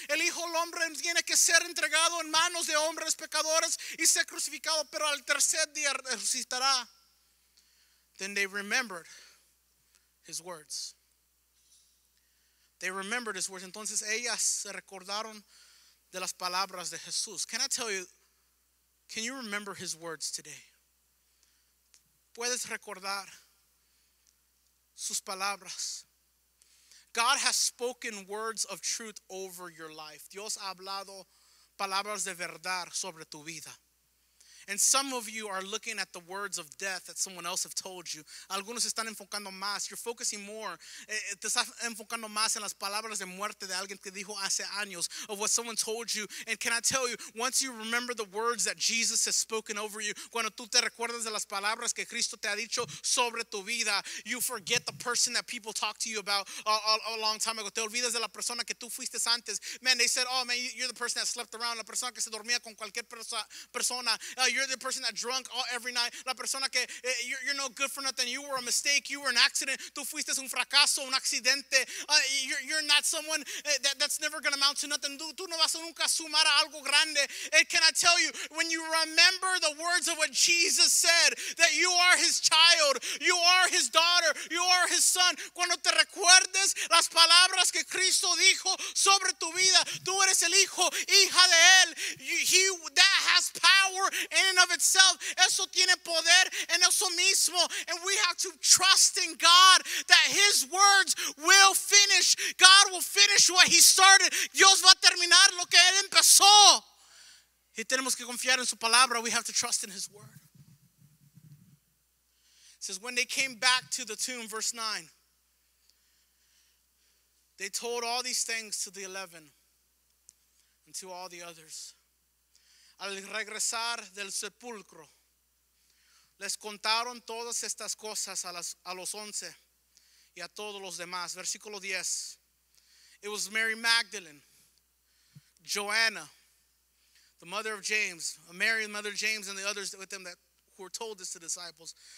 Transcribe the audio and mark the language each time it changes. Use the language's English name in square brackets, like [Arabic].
[Spanish] El Hijo del Hombre tiene que ser entregado en manos de hombres pecadores y ser crucificado, pero al tercer día resucitará. [English] Then they remembered his words. They remembered his words. [Spanish] Entonces ellas se recordaron de las palabras de Jesús. [English] Can I tell you, can you remember his words today? [Spanish] Puedes recordar sus palabras. [English] God has spoken words of truth over your life. [Spanish] Dios ha hablado palabras de verdad sobre tu vida. [English] And some of you are looking at the words of death that someone else have told you. [Spanish] Algunos están enfocando más. [English] You're focusing more. [Spanish] Te estás enfocando más en las palabras de muerte de alguien que dijo hace años, [English] of what someone told you. And can I tell you, once you remember the words that Jesus has spoken over you, [Spanish] cuando tú te recuerdas de las palabras que Cristo te ha dicho sobre tu vida, [English] you forget the person that people talked to you about a long time ago. [Spanish] Te olvidas de la persona que tú fuiste antes. [English] Man, they said, oh man, you're the person that slept around. [Spanish] La persona que se dormía con cualquier persona. [English] You're the person that drunk all every night. [Spanish] La persona que [English] you're no good for nothing. You were a mistake. You were an accident. [Spanish] Tú fuiste un fracaso, un accidente. [English] You're not someone that's never going to amount to nothing. [Spanish] Tú no vas a nunca sumar a algo grande. [English] And can I tell you, when you remember the words of what Jesus said, that you are his child, you are his daughter, you are his son. [Spanish] Cuando te recuerdes las palabras que Cristo dijo sobre tu vida, tú eres el hijo, hija de él. [English] That has power in and of itself. [Spanish] Eso tiene poder en eso mismo. [English] And we have to trust in God that his words will finish. God will finish what he started. [Spanish] Dios va a terminar lo que él empezó. Y tenemos que confiar en su palabra. [English] We have to trust in his word. It says, when they came back to the tomb, verse 9, they told all these things to the 11 and to all the others. [Spanish] Al regresar del sepulcro, les contaron todas estas cosas a los once y a todos los demás. Versículo 10. [English] It was Mary Magdalene, Joanna, the mother of James, Mary, the mother of James, and the others with them that who were told this to the disciples.